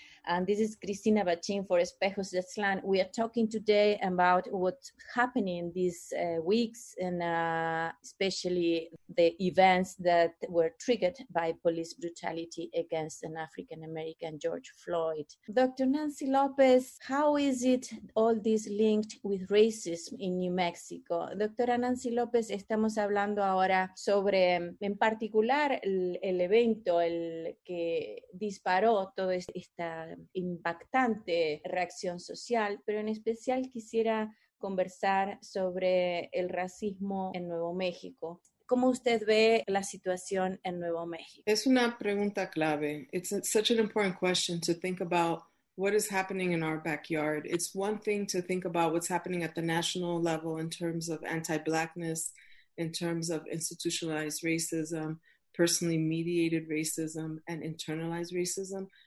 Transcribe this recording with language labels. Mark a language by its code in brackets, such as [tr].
[en] And this is Cristina Bachin for Espejos de Aztlán. We are talking today about what's happening these weeks, and especially the events that were triggered by police brutality against an African-American, George Floyd. Dr. Nancy Lopez, how is it all this linked with racism in New Mexico? [es] Doctora Nancy Lopez, estamos hablando ahora sobre, en particular, el evento el que disparó toda esta impactante reacción social, pero en especial quisiera conversar sobre el racismo en Nuevo México. ¿Cómo usted ve la situación en Nuevo México? Es una pregunta clave. [en] It's such an important question to think about what is happening in our backyard. It's one thing to think about what's happening at the national level in terms of anti-blackness, in terms of institutionalized racism, personally mediated racism, and internalized racism.